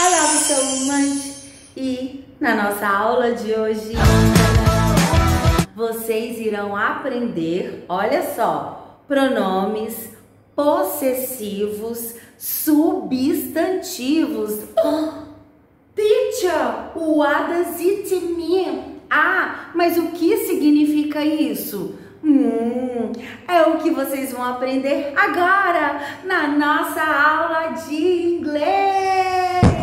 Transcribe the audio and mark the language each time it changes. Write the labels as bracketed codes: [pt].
[en] I love you so much! [pt] E na nossa aula de hoje, vocês irão aprender, olha só, pronomes possessivos substantivos. [en] Teacher, what does it mean? [pt] Ah, mas o que significa isso? É o que vocês vão aprender agora na nossa aula de inglês!